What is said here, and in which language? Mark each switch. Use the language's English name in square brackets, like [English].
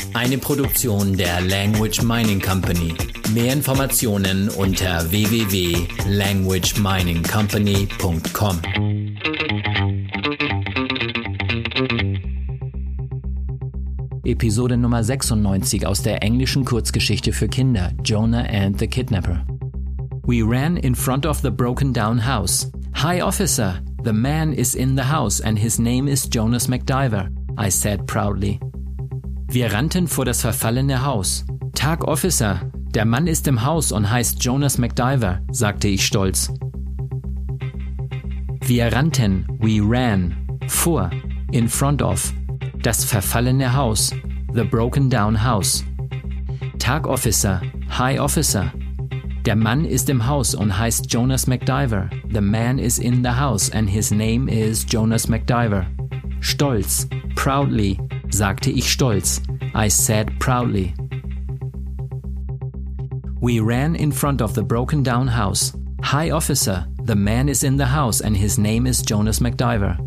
[German] Eine Produktion der Language Mining Company. Mehr Informationen unter www.languageminingcompany.com. Episode Nummer 96 aus der englischen Kurzgeschichte für Kinder, Jonah and the Kidnapper. [English] We ran in front of the broken down house. Hi, officer, the man is in the house and his name is Jonas MacDiver, I said proudly. [German] Wir rannten vor das verfallene Haus. Tag, officer, der Mann ist im Haus und heißt Jonas MacDiver, sagte ich stolz. Wir rannten, [English] we ran, [German] vor, [English] in front of. [German] Das verfallene Haus, [English] the broken down house. [German] Tag, officer, [English] hi, officer. [German] Der Mann ist im Haus und heißt Jonas MacDiver. [English] The man is in the house and his name is Jonas MacDiver. [German] Stolz, [English] proudly, [German] sagte ich stolz. [English] I said proudly. We ran in front of the broken down house. Hi, officer, the man is in the house and his name is Jonas MacDiver.